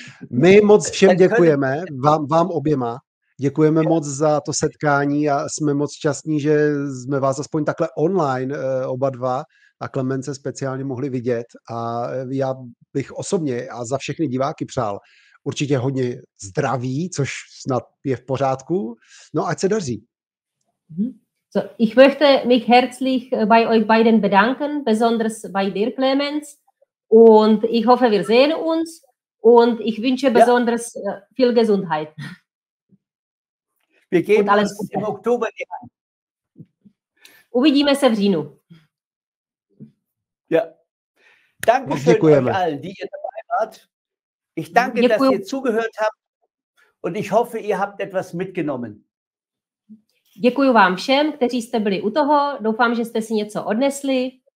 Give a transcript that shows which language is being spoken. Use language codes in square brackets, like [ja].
[cs] My moc všem děkujeme, vám oběma. Děkujeme moc za to setkání a jsme moc šťastní, že jsme vás aspoň takhle online oba dva a Clemence speciálně mohli vidět. A já bych osobně a za všechny diváky přál určitě hodně zdraví, což snad je v pořádku. No, ať se daří. [de] So, ich möchte mich herzlich bei euch beiden bedanken, besonders bei dir, Clemens. Und ich hoffe, wir sehen uns. Und ich wünsche besonders viel Gesundheit. Wir geben alles uns im Oktober. [cs] Uvidíme se v říjnu. [de] Ja. Danke schön euch allen, die ihr dabei wart. Ich danke, dass ihr zugehört habt. Und ich hoffe, ihr habt etwas mitgenommen. [cs] Děkuji vám všem, kteří jste byli u toho. Doufám, že jste si něco odnesli.